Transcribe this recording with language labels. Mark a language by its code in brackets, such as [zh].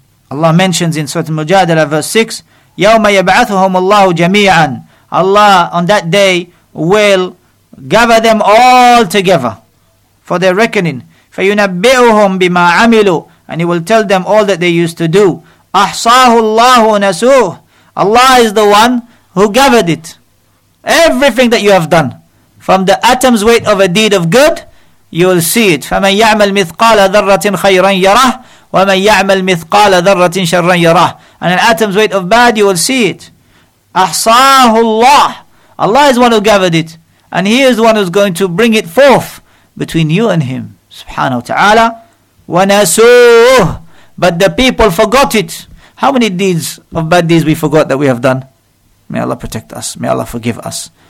[en] Allah mentions in Surah Al-Mujadala verse 6, [ar] يَوْمَ يَبْعَثُهُمُ اللَّهُ جَمِيعًا, [en] Allah on that day will gather them all together for their reckoning. [ar] فَيُنَبِّئُهُمْ بِمَا عَمِلُوا, [en] and he will tell them all that they used to do. [ar] أَحْصَاهُ اللَّهُ نَسُوهُ, [en] Allah is the one who gathered it. Everything that you have done, from the atom's weight of a deed of good, you will see it. [ar] فَمَنْ يَعْمَلْ مِثْقَالَ ذَرَّةٍ خَيْرًا يَرَهُ وَمَنْ يَعْمَلْ مِثْقَالَ ذَرَّةٍ شَرًّا يَرَهُ, [en] and an atom's weight of bad, you will see it. [ar] أَحْصَاهُ اللَّهُ, [en] Allah is the one who gathered it, and he is the one who is going to bring it forth between you and him, subhanahu wa ta'ala. [ar] وَنَسُوهُ, [en] but the people forgot it. How many deeds of bad deeds we forgot that we have done? May Allah protect us. May Allah forgive us.